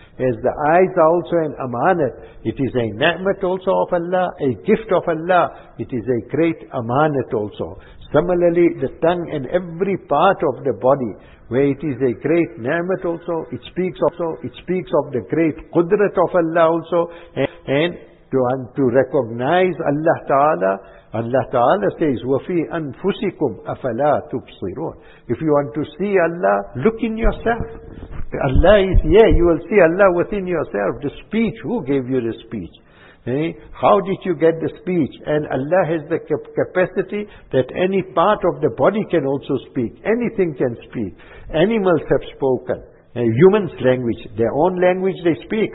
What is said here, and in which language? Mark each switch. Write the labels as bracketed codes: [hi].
[en] As the eyes are also an amanat, it is a ni'mat also of Allah, a gift of Allah, it is a great amanat also. Similarly, the tongue and every part of the body, where it is a great ni'mat also, it speaks of the great qudrat of Allah also, and to recognize Allah Ta'ala. Allah Ta'ala says, [ar] وَفِي أَنفُسِكُمْ أَفَلَا تُبْصِرُونَ. [en] If you want to see Allah, look in yourself. Allah is here, you will see Allah within yourself. The speech, who gave you the speech? How did you get the speech? And Allah has the capacity that any part of the body can also speak. Anything can speak. Animals have spoken. Humans language, their own language they speak.